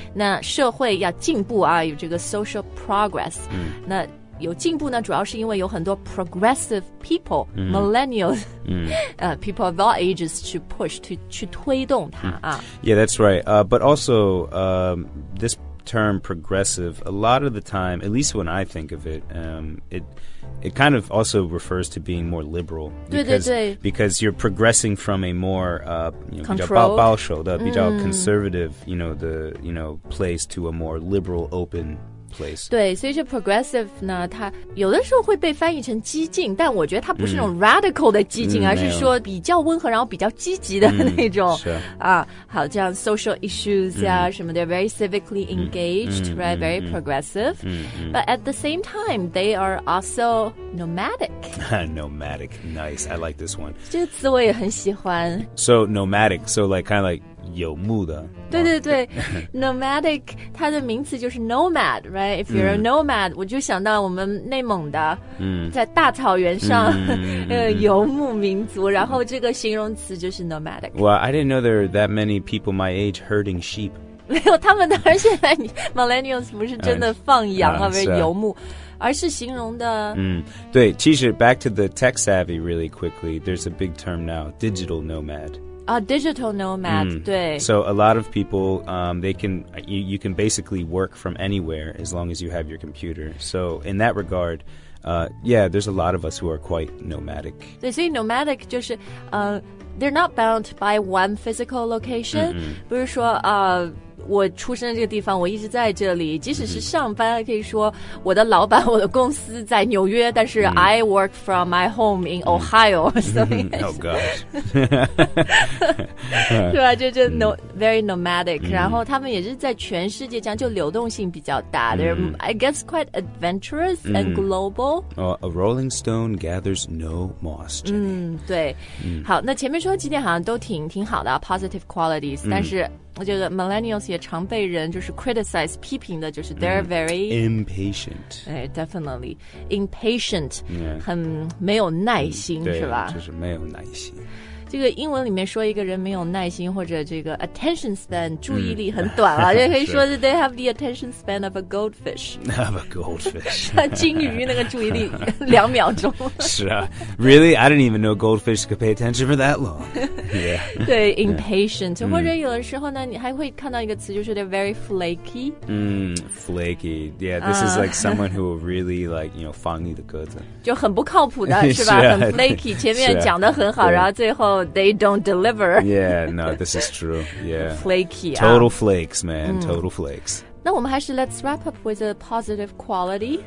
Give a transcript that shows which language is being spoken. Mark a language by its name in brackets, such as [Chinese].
[Chinese] 那社会要进步啊，有这个 social progress、mm. 那有进步呢主要是因为有很多 progressive people、mm. [English] millennials、mm. People of all ages to push, [Chinese] 去推动它啊、 [English] mm. Yeah, that's right. But also,、this term progressive, a lot of the time, at least when I think of it,、it kind of also refers to being more liberal because you're progressing from a more you know, [Chinese] 比较保保守的、 [English] 嗯、比较 conservative you know, the, you know, place to a more liberal open place [Chinese] 对所以这 progressive 呢它有的时候会被翻译成激进但我觉得它不是那种 radical 的激进、嗯、而是说比较温和然后比较积极的那种、嗯、是啊好这样 social issues 啊、嗯、什么 [English] they're very civically engaged、 [Chinese] 嗯、 [English] right very progressive、 [Chinese] 嗯嗯嗯、 [English] but at the same time they are also nomadic nomadic nice I like this one [Chinese] 这个词我也很喜欢 [English] so nomadic so like kind of like [Chinese] 游牧的对对对 nomadic 它的名词就是 nomad [English] right if you're、 [Chinese] 嗯、 a nomad 我就想到我们内蒙的、嗯、在大草原上、嗯游牧民族然后这个形容词就是 nomadic [English] well I didn't know there are that many people my age herding sheep [Chinese] 没有他们当然现在 millennials 不是真的放羊而是游牧而是形容的、 [English] 嗯、 [Chinese] 对其实 [English] back to the tech savvy really quickly there's a big term now digital nomad Digital nomad,、 mm. [Chinese] 对。 [English] So a lot of people,、they can, you can basically work from anywhere as long as you have your computer. So in that regard,、yeah, there's a lot of us who are quite nomadic. [Chinese] 对，所以 nomadic 就是、 [English] they're not bound by one physical location. [Chinese] 比如说、我出生的这个地方我一直在这里即使是上班、mm-hmm. 可以说我的老板我的公司在纽约但是、mm-hmm. [English] I work from my home in Ohio、mm-hmm. Oh gosh [Chinese] 对吧就是 no, very nomadic、mm-hmm. 然后他们也是在全世界这样就流动性比较大、mm-hmm. [English] They're I guess quite adventurous、mm-hmm. and global、 A rolling stone gathers no moss、 [Chinese] mm-hmm. 对、mm-hmm. 好那前面说几点好像都挺好的、啊、positive qualities、mm-hmm. 但是我觉得 millennials 也常被人就是 criticize 批评的就是 [English] they're very impatient definitely impatient、 yeah. [Chinese] 很没有耐心、嗯、是吧就是没有耐心这个英文里面说一个人没有耐心或者这个 attention span 注意力很短了、啊、就、嗯、可以说是 [English] they have the attention span of a goldfish of a goldfish [Chinese] 金鱼那个注意力两秒钟 [English] 是啊 really I didn't even know goldfish could pay attention for that long、yeah. 对 impatient、yeah. [Chinese] 或者有的时候呢你还会看到一个词就是 [English] they're very flaky、 flaky yeah this is like someone who will really like you know [Chinese] 放你的鸽子就很不靠谱的是吧是、啊、很 flaky 前面讲得很好、啊、 [English] 然后最后they don't deliver. Yeah, no, this is true. Yeah. Flaky. Total flakes, man.、Mm. Total flakes. [Chinese] 那我们还是 [English] let's wrap up with a positive quality.